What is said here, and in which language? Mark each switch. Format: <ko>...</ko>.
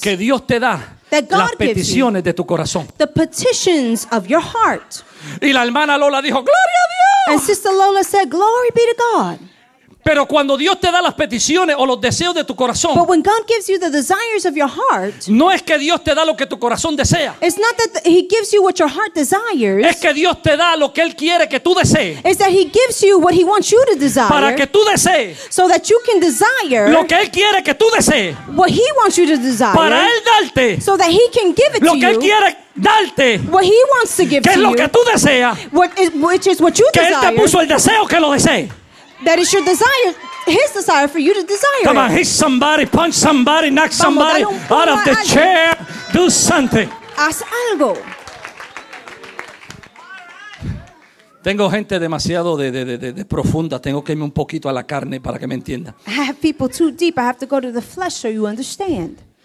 <es>Que Dios te da las peticiones de tu corazón.</es> <en>The petitions of your heart.</en> <es>Y la hermana Lola dijo, ¡gloria a Dios!</es> <en>And Sister Lola said, glory be to God.</en> <es>Pero cuando Dios te da las peticiones o los deseos de tu corazón,</es> <en>but when God gives you the desires of your heart,</en> <es>no es que Dios te da lo que tu corazón desea.</es> <en>It's not that he gives you what your heart desires.</en> <es>Es que Dios te da lo que él quiere que tú desees.</es> <en>It's that he gives you what he wants you to desire.</en> <es>Para que tú desees.</es> <en>So that you can desire.</en> <es>Lo que él quiere que tú desees.</es> <en>What he wants you to desire.</en> <es>Para él darte.</es> <en>So that he can give it to you.</en> <es>Lo que él quiere darte.</es> <en>What he wants to give</en> <es>que es</es> <en>you.</en> <es>Lo que tú deseas.</es> <en>What is, which is what you</en> <es>que</es> <en>desire.</en> <es>Que él te puso el deseo que lo desee.</es> <en>That is your desire, his desire for you to desire. Come on, hit somebody, punch somebody, knock somebody out of the chair. Do something.</en> <es>Haz algo. Tengo gente demasiado de profunda. Tengo que irme un poquito a la carne para que me entienda.</es> <en>I have people too deep. I have to go to the flesh so you understand.</en>